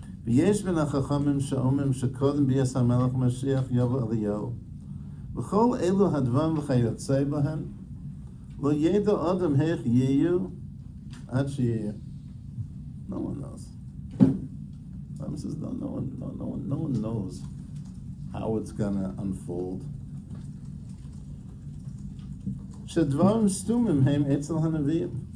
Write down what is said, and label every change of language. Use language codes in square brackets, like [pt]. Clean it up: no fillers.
[he] ויש בין החכמים שאומרים שקודם ביאס המלך משיח יבוא אליהו. וכל אלו הדברים וכיוצא בהם, לא ידע אדם איך יהיו עד שיהיו. [en] No one knows. Rambam says, no one knows how it's gonna unfold. [he] שדברים סתומים הם אצל הנביאים.